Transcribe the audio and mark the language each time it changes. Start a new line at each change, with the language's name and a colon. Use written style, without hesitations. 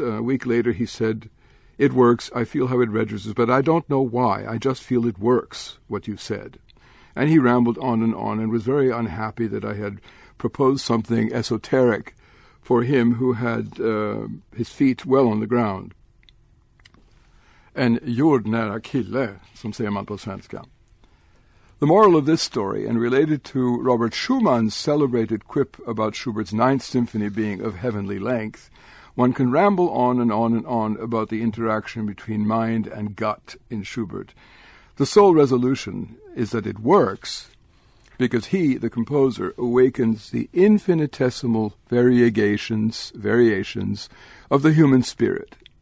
English: A week later, he said, "It works. I feel how it registers, but I don't know why. I just feel it works, what you said." And he rambled on and on and was very unhappy that I had proposed something esoteric for him who had his feet well on the ground.
Swedish: En jordnära kille, som säger man på svenska.
English: The moral of this story, and related to Robert Schumann's celebrated quip about Schubert's Ninth Symphony being of heavenly length, one can ramble on and on and on about the interaction between mind and gut in Schubert. The sole resolution is that it works, because he, the composer, awakens the infinitesimal variations of the human spirit.